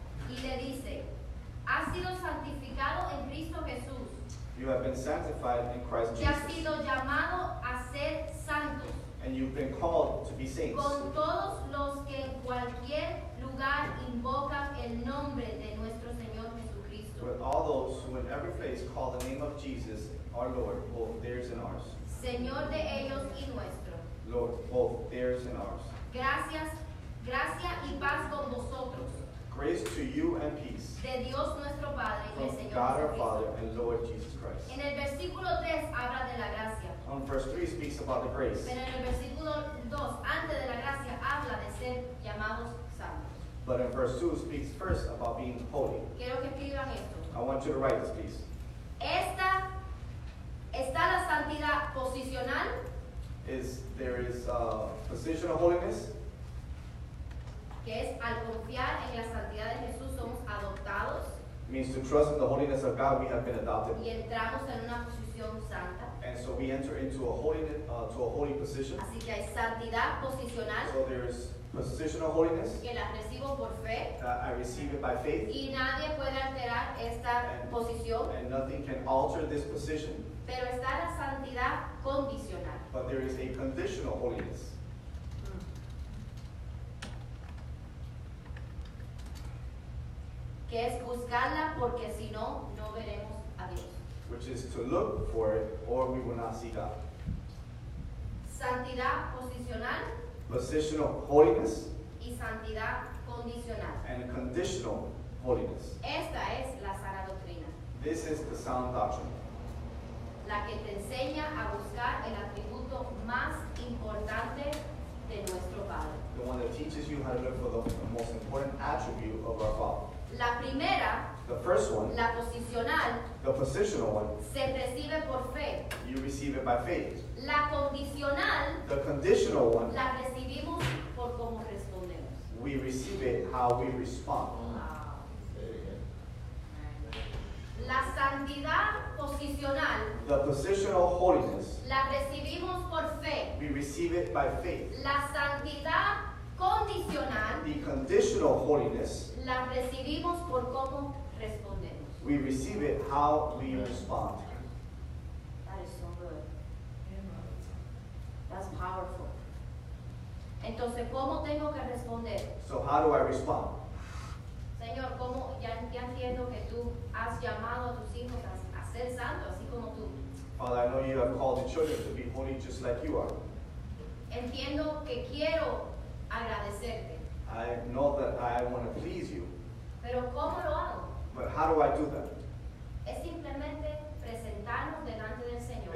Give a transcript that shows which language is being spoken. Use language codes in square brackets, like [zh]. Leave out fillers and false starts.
[es] Y le dice, ha sido santificado en Cristo Jesús. [en] You have been sanctified in Christ Jesus. [es] Y ha sido llamado a ser santos. [en] And you've been called to be saints. [es] Con todos los que en cualquier lugar invocan el nombre de nuestro Señor Jesucristo. [en] With all those who in every place call the name of Jesus, our Lord, both theirs and ours. [es] Señor de ellos y nuestro. [en] Lord, both theirs and ours. [es] Gracias, gracia y paz con vosotros. [en] Grace to you and peace. [es] De Dios nuestro Padre y el Señor. [en] God our Father and Lord Jesus Christ. [es] En el versículo 3 habla de la gracia. [en] On verse 3 speaks about the grace. [es] Pero en el versículo 2, antes de la gracia, habla de ser llamados santos. [en] But in verse 2 speaks first about being holy. [es] Quiero que escriban esto. [en] I want you to write this piece. [es] Esta está la santidad posicional. [en] There is positional holiness. [es] Que es al confiar en la santidad de Jesús somos adoptados. [en] Means to trust in the holiness of God, we have been adopted. [es] Y entramos en una posición santa. [en] And so we enter into a holy position. [es] Así que hay santidad posicional. [en] So there is positional holiness. [es] Que la recibo por fe. [en] I receive it by faith. [es] Y nadie puede alterar esta posición. [en] And nothing can alter this position. [es] Pero está la santidad condicional. [en] But there is a conditional holiness. [es] Que es buscarla porque si no, no veremos a Dios. [en] Which is to look for it or we will not see God. [es] Santidad posicional. [en] Positional holiness. [es] Y santidad condicional. [en] And conditional holiness. [es] Esta es la sana doctrina. [en] This is the sound doctrine. [es] La que te enseña a buscar el atributo más importante de nuestro Padre. [en] The one that teaches you how to look for the most important attribute of our Father. [es] La primera, [en] the first one, [es] la posicional, [en] the positional one, [es] se recibe por fe. [en] You receive it by faith. [es] La condicional, [en] the conditional one, [es] la recibimos por cómo respondemos. [en] We receive it how we respond. Wow. [es] La santidad posicional, [en] the positional holiness, [es] la recibimos por fe. [en] We receive it by faith. [es] La santidad condicional, [en] the conditional holiness, [es] la recibimos por cómo respondemos. [en] We receive it how we respond. That is so good. That's powerful. [es] Entonces, ¿cómo tengo que responder? [en] So how do I respond? [es] Señor, ¿cómo ya entiendo que tú has llamado a tus hijos a ser santos, así como tú? [en] Father, I know you have called the children to be holy just like you are. [es] Entiendo que quiero agradecerte. [en] I know that I want to please you. [es] Pero ¿cómo lo hago? [en] But how do I do that? [es] Es simplemente presentarnos delante del Señor.